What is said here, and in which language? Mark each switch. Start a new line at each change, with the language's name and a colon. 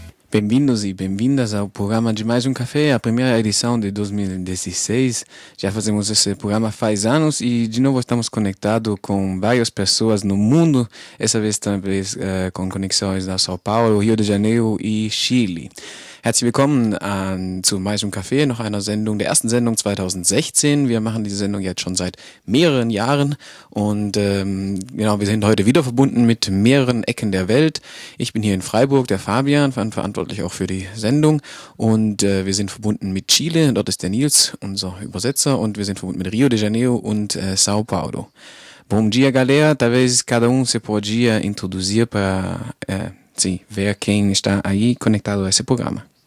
Portuguese: Bem-vindos e bem-vindas ao programa de Mais um Café, a primeira edição de 2016. Já fazemos esse programa faz anos e de novo estamos conectados com várias pessoas no mundo, essa vez também com conexões da São Paulo, Rio de Janeiro e Chile.
German: Herzlich willkommen zu Mais um Café, noch einer Sendung, der ersten Sendung 2016. Wir machen diese Sendung jetzt schon seit mehreren Jahren und genau, wir sind heute wieder verbunden mit mehreren Ecken der Welt. Ich bin hier in Freiburg, der Fabian, verantwortlich auch für die Sendung und wir sind verbunden mit Chile, dort ist der Nils, unser Übersetzer und wir sind verbunden mit Rio de Janeiro und São Paulo.
Portuguese: Bom dia, galera. Talvez cada se podia introduzir para... Sim, ver quem está aí conectado a esse programa.